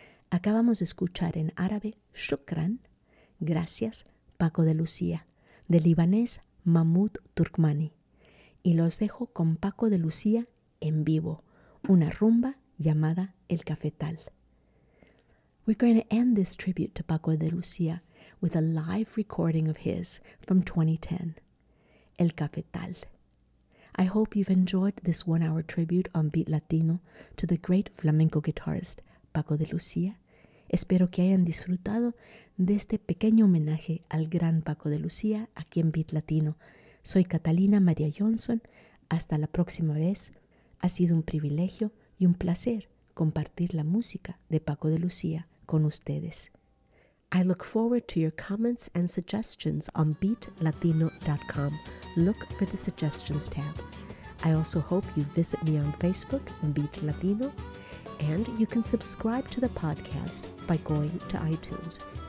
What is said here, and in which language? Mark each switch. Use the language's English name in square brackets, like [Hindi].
[Spanish] Acabamos de escuchar en árabe Shukran, gracias, Paco de Lucía, del libanés Mahmoud Turkmani. Y los dejo con Paco de Lucía en vivo, una rumba llamada El Cafetal. [English] We're going to end this tribute to Paco de Lucía with a live recording of his from 2010, El Cafetal. I hope you've enjoyed this one-hour tribute on Beat Latino to the great flamenco guitarist Paco de Lucía. [Spanish] Espero que hayan disfrutado de este pequeño homenaje al gran Paco de Lucía aquí en Beat Latino. Soy Catalina María Johnson. Hasta la próxima vez. Ha sido un privilegio y un placer compartir la música de Paco de Lucía con ustedes. [English] I look forward to your comments and suggestions on beatlatino.com. Look for the suggestions tab. I also hope you visit me on Facebook, Beat Latino, and you can subscribe to the podcast by going to iTunes.